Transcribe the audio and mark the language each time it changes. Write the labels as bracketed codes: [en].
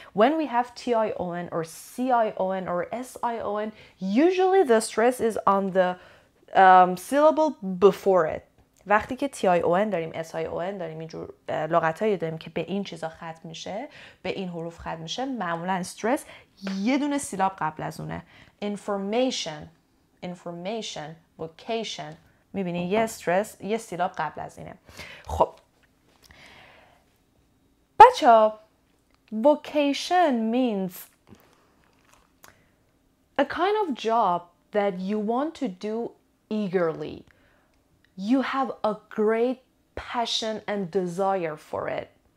[en] When we have T-I-O-N or C-I-O-N or S-I-O-N, usually the stress is on the syllable before it. [fa] وقتی که T-I-O-N داریم، S-I-O-N داریم، اینجور لغت هایی داریم که به این چیزا ختم میشه، به این حروف ختم میشه، معمولا استرس یه دونه سیلاب قبل از اونه. [en] Information. Information. Vocation. [fa] میبینی یه استرس یه سیلاب قبل از اینه. خب بچه [en] Vocation means a kind of job that you want to do eagerly. You have a great passion and desire for it.